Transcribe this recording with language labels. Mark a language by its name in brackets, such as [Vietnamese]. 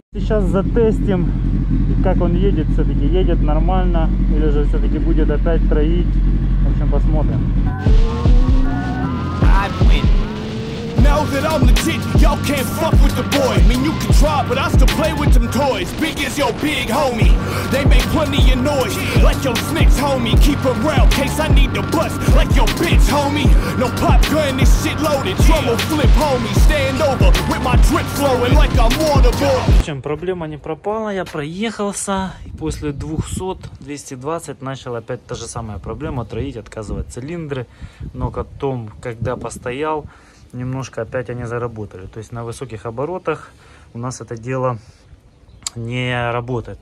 [Russian] Затестим, как он едет, все-таки едет нормально или же все-таки будет опять троить. В общем, посмотрим. [English] Know that I'm legit, y'all can't fuck with the boy. I mean, you can try, but I still play with them toys. Big as your big homie, they make plenty of noise. Like your snitch, homie, keep them round, case I need to bust. Like your bitch, homie, no pop gun, this shit loaded. Trouble flip, homie, stand over with my drip flowing like I'm waterboard. [Russian] В общем, проблема не пропала, я проехался. И после 200-220 начал опять та же самая проблема. Троить, отказывать цилиндры. Но потом, когда постоял, немножко опять они заработали. То есть на высоких оборотах у нас это дело не работает.